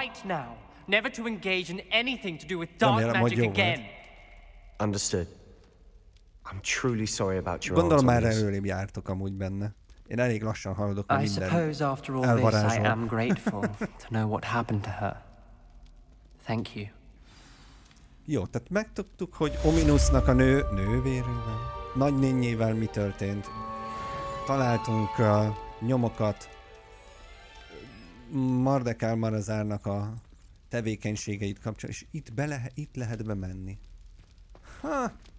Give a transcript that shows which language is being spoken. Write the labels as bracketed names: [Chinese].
[English] Right now, never to engage in anything to do with dark magic again. Understood. I'm truly sorry about your [Hungarian] gondolom már előrébb jártok amúgy benne. Én elég lassan hallodok a minden elvarázsolat. [English] I am grateful to know what happened to her. Thank you. [Hungarian] Jó, tehát megtudtuk, hogy Ominousnak a nővérével, nagynénjével mi történt. Találtunk nyomokat Mardekár Marazárnak a tevékenységeit kapcsolatban, és itt lehet bemenni. Ha!